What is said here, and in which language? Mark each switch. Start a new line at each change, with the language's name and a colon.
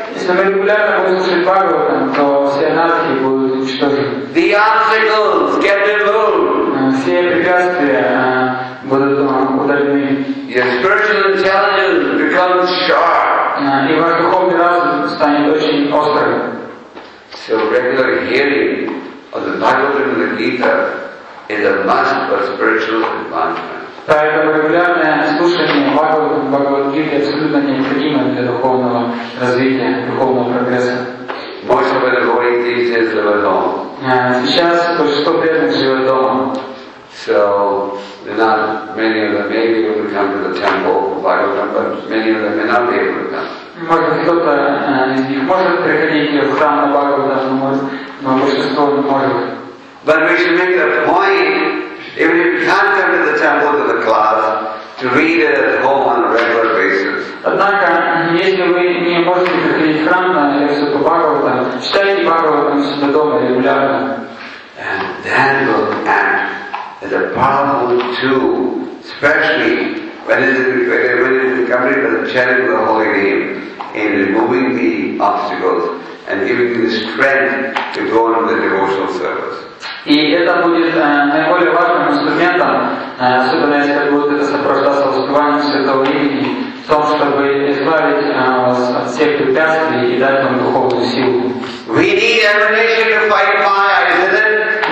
English: The obstacles get removed. Your spiritual intelligence becomes sharp. So regular hearing of the Bhagavatam and the Gita is a must for spiritual advancement.
Russian: Поэтому регулярное слушание Бхагавад-гиты абсолютно необходимо для духовного развития, духовного прогресса.
English: Most of the devotees live at home.
Russian: Сейчас большинство преданных живет дома.
English: So, not many of them may be able to come to the temple of Bhagavatam, but many of them may not be able to come.
Russian: Может, кто-то из них может приходить в храм на Бхагавадам, но большинство не может.
English: But we should make the point, if you can't come to the temple to the class, to read it at home on a regular basis.
Russian: Однако, если вы не можете приходить в храм на лекцию по Бхагаватам, читайте Бхагаватам себе дома регулярно.
English: And that will act as a powerful tool, especially when it is accompanied by the chanting of the holy name in removing the obstacles and giving you the strength to go on the devotional service.
Russian: И это будет наиболее важным инструментом, особенно если это будет сопровождаться воспеванием святого имени, в том, чтобы избавить вас от всех препятствий и дать вам духовную силу.
English: We need emanation to fight Maya, isn't it?